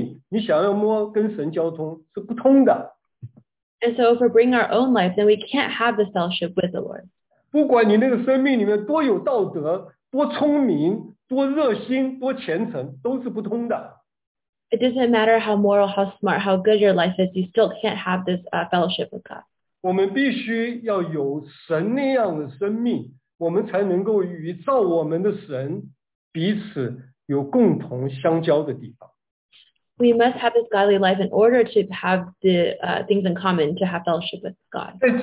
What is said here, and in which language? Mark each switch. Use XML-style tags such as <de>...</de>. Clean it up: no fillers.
<zh>弟兄姊妹,如果我们带的是自己的生命,你想要摸跟神交通,是不通的。</zh> <en>And so if we bring our own life, then we can't have the fellowship with the Lord.</en> <zh>不管你那个生命里面多有道德,多聪明,多热心,多虔诚,都是不通的。</zh> <en>It doesn't matter how moral, how smart, how good your life is, you still can't have this fellowship with God.</en> <zh>我们必须要有神那样的生命,我们才能够与造我们的神彼此有共同相交的地方。</zh> <en>We must have this godly life in order to have the things in common, to have fellowship with God.</en>